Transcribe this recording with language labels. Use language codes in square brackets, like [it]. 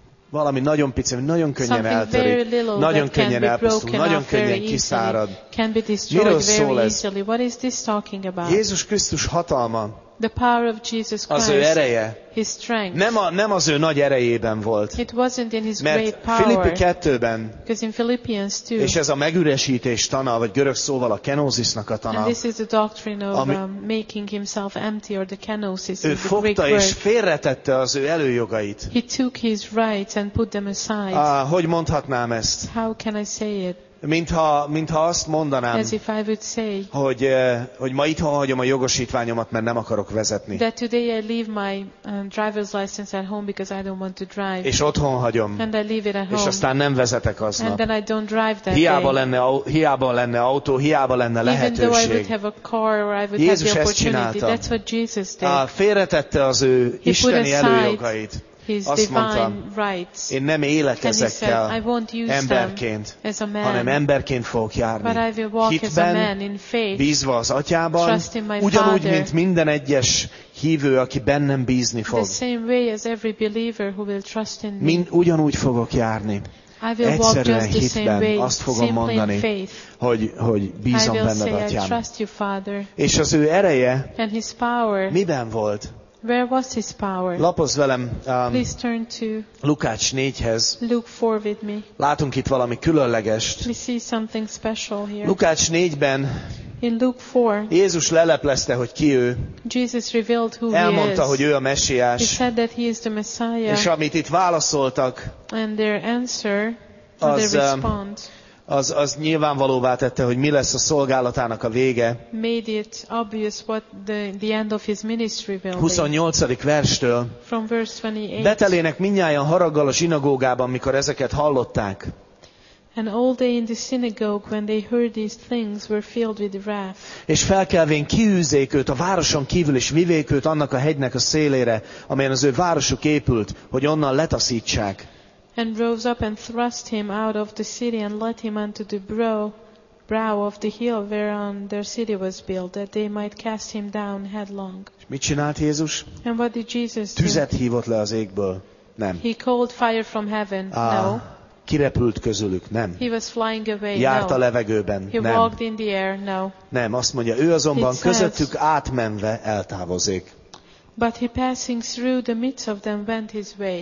[hu] Valami nagyon pici, nagyon könnyen eltörik, nagyon könnyen elpusztul, nagyon könnyen kiszárad. Miről szól ez? Jézus Krisztus hatalma. [en] The power of Jesus Christ, [hu] az ő ereje. [en] His strength. [hu] Nem az ő nagy erejében volt. [en] It wasn't in his [hu] mert [en] great power. [hu] Filippi 2-ben, [en] because in Philippians 2, [hu] és ez a megüresítés tana, vagy görög szóval a kenózisnak a tana. [en] And this is the doctrine of making himself empty or the kenosis. [hu] Ő fogta és félretette az ő előjogait. [en] He took his rights and put them aside. [hu] Hogy mondhatnám ezt? [en] How can I say it? [hu] Mintha azt mondanám, [en] as if I would say, [hu] hogy ma itthon hagyom a jogosítványomat, mert nem akarok vezetni. [en] That today I leave my driver's license at home because I don't want to drive. [hu] És otthon hagyom. [en] And I leave it at [hu] home. És aztán nem vezetek aznap. [en] And then I don't drive that [hu] hiába [en] day. [hu] Hiába lenne autó, hiába lenne lehetőség. [en] Even though I would have a car or I would [hu] Jézus [en] have the opportunity. [hu] Ezt csinálta. [en] That's what Jesus did. [hu] Félretette az ő [en] he [hu] isteni előjogait. [en] His [hu] azt mondta, [en] rights. [hu] Én nem élek ezekkel emberként, hanem emberként fogok járni. [en] But I will walk [hu] hitben, [en] as a man in faith, [hu] bízva az atyában, [en] trust in my [hu] ugyanúgy, [en] father, [hu] mint minden egyes hívő, aki bennem bízni fog. [en] The same way as every believer who will trust in me. [hu] Ugyanúgy fogok járni. [en] I will [hu] egyszerűen [en] walk just [hu] hitben [en] the same way, [hu] azt fogom mondani, hogy bízom benned, atyám. [en] I trust you, father. [hu] És az ő ereje [en] and his power, [hu] miben volt? [en] Where was his power? [hu] Lapozz velem [en] please turn to [hu] Lukács 4-hez. [en] Luke 4 with me. [hu] Látunk itt valami különlegest. [en] We see something special here. [hu] Lukács 4-ben [en] in Luke 4, [hu] Jézus leleplezte, hogy ki ő. [en] Jesus revealed who [hu] elmondta, [en] he is. [hu] Hogy ő a Messiás. [en] He said that he is the Messiah. [hu] És amit itt válaszoltak, [en] and their answer, az, their response, [hu] az nyilvánvalóvá tette, hogy mi lesz a szolgálatának a vége. [en] Made it obvious what the end of his ministry will be. [hu] 28. verstől. [en] From verse 28. [hu] Betelének mindnyájan haraggal a zsinagógában, mikor ezeket hallották. [en] And all day in the synagogue when they heard these things were filled with wrath. [hu] És felkelvén kiűzzék őt a városon kívül, és vivék őt annak a hegynek a szélére, amelyen az ő városuk épült, hogy onnan letaszítsák. [en] And rose up and thrust him out of the city and led him unto the brow of the hill whereon their city was built, that they might cast him down headlong. [hu] És mit csinált Jézus? [en] And what did Jesus do? [hu] Tüzet hívott le az égből. Nem. [en] He called fire from heaven. No. [hu] Kirepült közülük. Nem. [en] He was flying away. [hu] Járt a levegőben. [en] He [hu] nem. [en] Walked in the air. No. [hu] Nem, azt mondja, ő azonban it közöttük says, átmenve eltávozik. [en] But he passing through the midst of them went his way.